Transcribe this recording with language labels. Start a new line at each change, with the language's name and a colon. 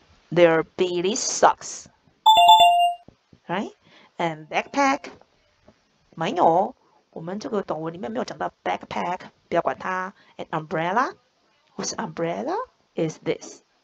English: They're Billy's socks, right? And backpack,
Chinese: 没有。我们这个短文里面没有讲到 backpack， 不要管它。
English: And umbrella， whose umbrella is this？